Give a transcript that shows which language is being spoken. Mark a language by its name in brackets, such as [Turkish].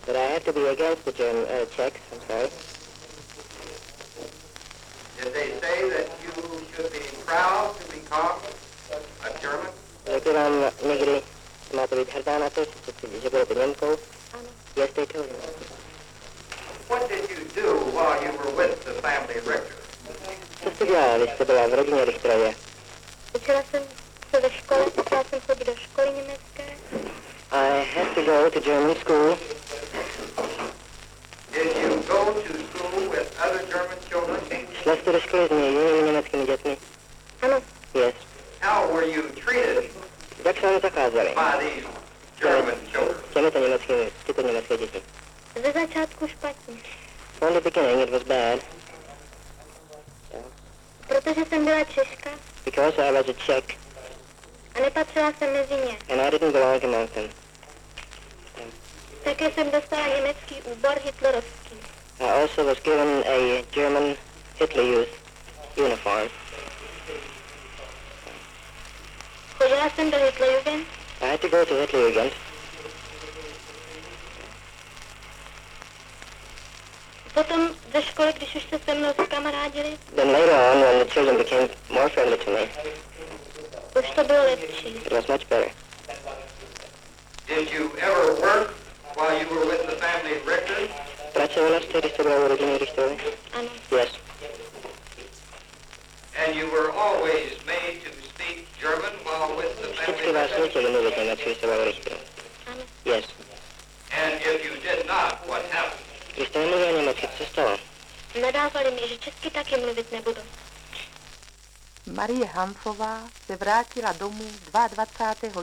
[English] That I have to be against the Czechs, I'm sorry. Did they say that you should be proud to become a German? [Czech] Řekli vám někdy, že máte být hrdá na to, že budete Němkou? [English] Yes, they told me. What did you do while you were with the family Richter? [Czech] Co jste dělala, když jste byla v rodině Richterově? Učila jsem se ve škole, učila jsem chodit do školy německé. [English] I had to go to German school. Did you go to school with other German children? [Czech] Šla jste do školy s jinými německými dětmi? Ano. [English] Yes. How were you treated? [Czech] Jak se vám zakázali? [English] By these German children. [Czech] Těmi to německými, tyto německé děti. Ze začátku špatně. [English] From the beginning it was bad. [Czech] Protože jsem byla Češka. [English] Because I was a Czech. [Czech] A nepatřila jsem mezi ně. [English] And I didn't belong among them. [Czech] Také jsem dostala německý úbor hitlerovský. [English] I also was given a German Hitler Youth uniform. [Czech] Chodila jsem do Hitlerjugend? [English] I had to go to Italy again. [Czech] Potom ze školy, když už se se mnou skamarádili? [English] Then later on, when the children became more friendly to me. [Czech] Už to bylo lepší. [English] It was much better. Did you ever work while you were with the family at Richter? [Czech] Pracovala jste, když jste byla u rodiny Richterovi? Ano. [English] Yes. And you were always made to speak German while with the family. [Czech] Vždycky vás nutili mluvit německy, když jste byla u Richterovi. Ano. [English] Yes. And if you did not, what happened? [Czech] Když jste nemluvila německy, co stalo? Nadávali mi, že česky taky mluvit nebudu. Marie Hanfová se vrátila domů 22.